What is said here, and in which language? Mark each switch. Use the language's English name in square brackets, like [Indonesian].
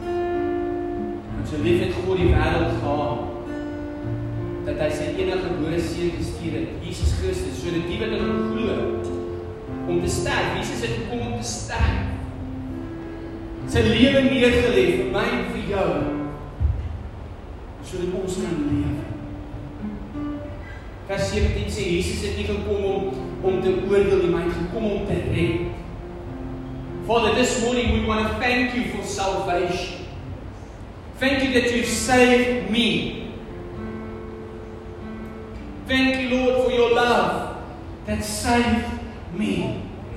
[Afrikaans] En so lief het God die wêreld gehad, dat hy sy enige gebore seun gestuur het, Jesus Christus, so dat die wat hulle glo, om te sterf, Jesus het gekom om te sterf, sy lewe neergelê vir my en vir jou, so dat ons kan leef. Vers 17 sê, Jesus het nie gekom om te oordeel, maar het gekom om te red. [English] Father, this morning we want to thank you for salvation. Thank you that you've saved me. Thank you, Lord, for your love that saved me.